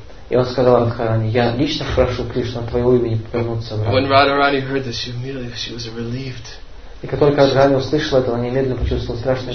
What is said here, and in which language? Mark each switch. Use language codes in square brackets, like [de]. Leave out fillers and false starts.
[ru] И он сказал Радхарани, я лично прошу Кришну от твоего имени вернуться обратно. [en] When Radharani heard this, she was relieved. [ru] И как только Радхарани услышала это, она немедленно почувствовала страшное